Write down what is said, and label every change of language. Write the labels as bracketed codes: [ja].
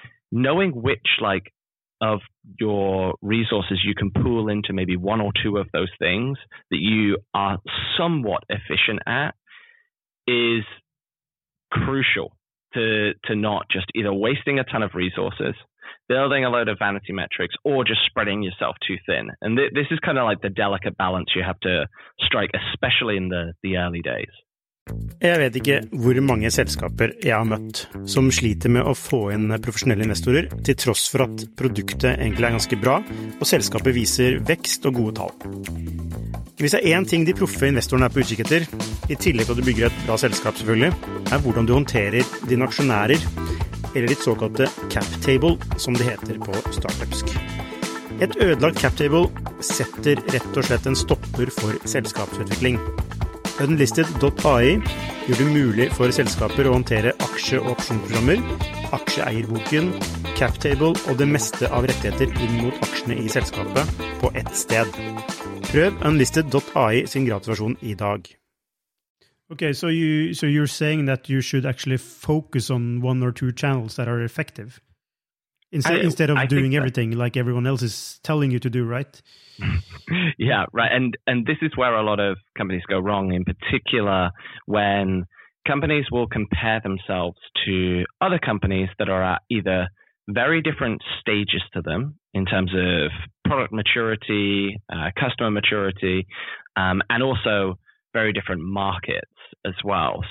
[en] Knowing which like of your resources you can pool into maybe one or two of those things that you are somewhat efficient at is crucial to not just either wasting a ton of resources, building a load of vanity metrics, or just spreading yourself too thin. And this is kind of like the delicate balance you have to strike, especially in the early days. [no] Jeg vet ikke hvor mange selskaper jeg har møtt som sliter med å få inn profesjonelle investorer til tross for at produktet egentlig ganske bra og selskapet viser vekst og gode tall. Hvis det en ting de proffe investorene på utkikk etter, I tillegg til at du bygger et bra selskap selvfølgelig, hvordan du håndterer dine aksjonærer, eller ditt såkalte cap table som det heter på startupsk. Et ødelagt cap table setter rett og slett en stopper for selskapsutvikling. Unlisted.ai gjør det mulig for selskaper å håndtere aksje- og opsjonsprogrammer, aksjeeierboken, cap table og det meste av rettigheter inn mot aksjene I selskapet på ett sted. Prøv Unlisted.ai sin gratis versjon I dag. [en] Okay, so you're saying that you should actually focus on one or two channels that are effective instead of doing everything like everyone else is telling you to do, right? Yeah, right. And this is where a lot of companies go wrong, in particular when companies will compare themselves to other companies that are at either very different stages to them in terms of product maturity, customer maturity, and also very different markets as well.